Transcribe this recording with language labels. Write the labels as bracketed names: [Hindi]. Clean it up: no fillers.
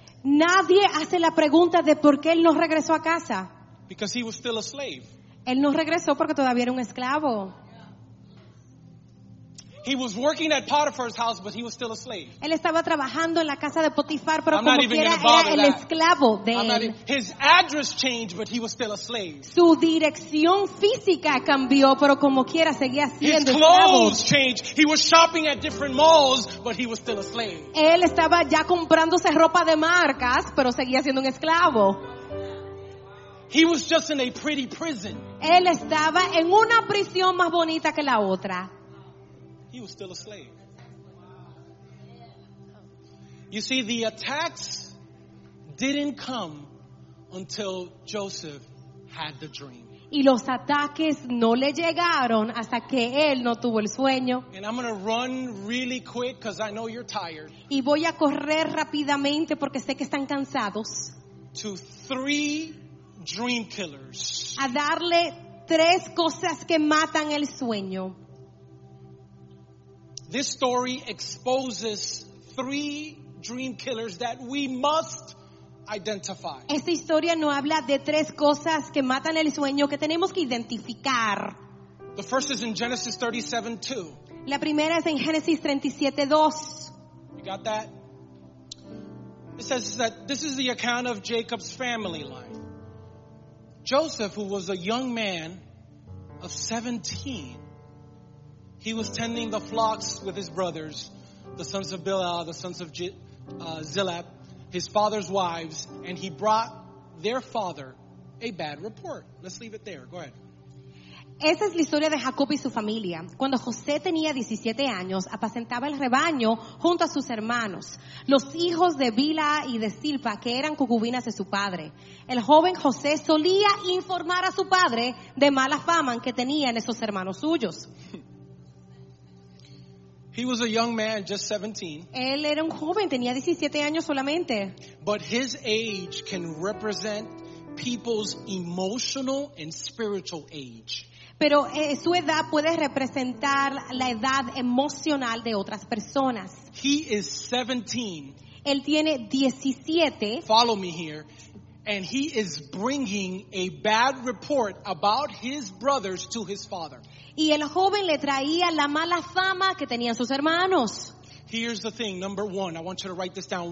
[Spanish] Nadie hace la pregunta de por qué él no regresó a casa. [English] Because he was still a slave. [Spanish] Él no regresó porque todavía era un esclavo. [English] He was working at Potiphar's house, but he was still a slave. [Spanish] Él estaba trabajando en la casa de Potifar, pero como quiera era el esclavo de él. [English] His address changed, but he was still a slave. [Spanish] Su dirección física cambió, pero como quiera seguía siendo esclavo. [English] His clothes changed. He was shopping at different malls, but he was still a slave. [Spanish] Él estaba ya comprándose ropa de marcas, pero seguía siendo un esclavo. [English] He was just in a pretty prison. [Spanish] Él estaba en una prisión más bonita que la otra. [English] He was still a slave. You see, the attacks didn't come until Joseph had the dream. [Spanish] Y los ataques no le llegaron hasta que él no tuvo el sueño. [English] And I'm going to run really quick because I know you're tired. [Spanish] Y voy a correr rápidamente porque sé que están cansados. [English] To three dream killers. [Spanish] A darle tres cosas que matan el sueño. [English] This story exposes three dream killers that we must identify. [Spanish] Esta historia no habla de tres cosas que matan el sueño que tenemos que identificar. [English] The first is in Genesis 37:2. [Spanish] La primera es en Génesis 37:2. [English] You got that? It says that this is the account of Jacob's family life. Joseph, who was a young man of 17, he was tending the flocks with his brothers, the sons of Bilhah, the sons of Zilpah, his father's wives, and he brought their father a bad report. Let's leave it there. Go ahead. [Spanish] Esa es la historia de Jacob y su familia. Cuando José tenía 17 años, apacentaba el rebaño junto a sus hermanos, los hijos de Bilhah y de Zilpah, que eran concubinas de su padre. El joven José solía informar a su padre de mala fama que tenían esos hermanos suyos. [English] He was a young man, just 17. [Spanish] Él era un joven, tenía 17 años solamente. [English] But his age can represent people's emotional and spiritual age. [Spanish] Pero su edad puede representar la edad emocional de otras personas. [English] He is 17. [Spanish] Él tiene 17. [English] Follow me here. And he is bringing a bad report about his brothers to his father. [Spanish] Y el joven le traía la mala fama que tenían sus hermanos. [English] Here's the thing, number one. I want you to write this down.